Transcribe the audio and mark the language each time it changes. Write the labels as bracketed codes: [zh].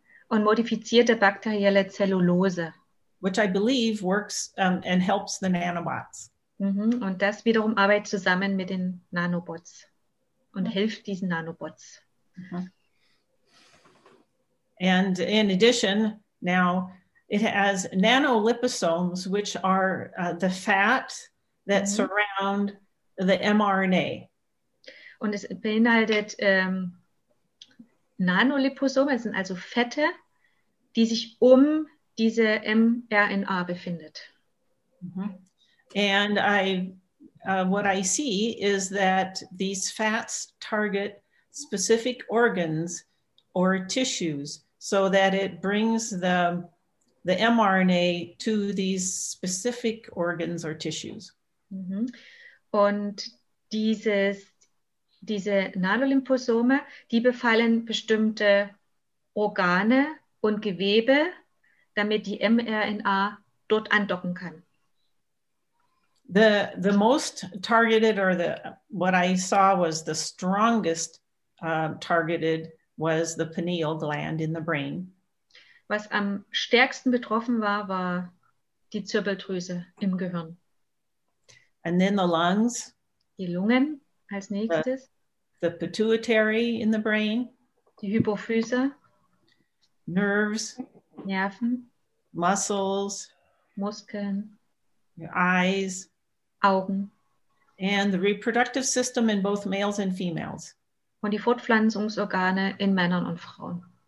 [de] Und modifizierte bakterielle Zellulose. [en] Which I believe works and helps the nanobots. Mm-hmm. [de] Und das wiederum arbeitet zusammen mit den Nanobots und hilft diesen Nanobots. Mm-hmm. [en] And in addition, now it has nanoliposomes, which are the fat that mm-hmm. surround the mRNA. [de] Und es beinhaltet Nanoliposome, es sind also Fette, die sich um diese mRNA befindet. Mm-hmm. [en] And what I see is that these fats target specific organs or tissues so that it brings the mRNA to these specific organs or tissues. Mm-hmm. [de] Und diese Nanoliposome, die befallen bestimmte Organe und Gewebe, damit die mRNA dort andocken kann. [en] The most targeted or the what I saw was the strongest targeted was the pineal gland in the brain. [de] Was am stärksten betroffen war die Zirbeldrüse im Gehirn. [en] And then the lungs. [de] Die Lungen als nächstes. [en] The pituitary in the brain. [de] Die Hypophyse. [en] Nerves. [de] Nerven. [en] Muscles. [de] Muskeln. [en] Your eyes. [de] Augen. [en] And the reproductive system in both males and females. [de] Und die Fortpflanzungsorgane in Männern und Frauen.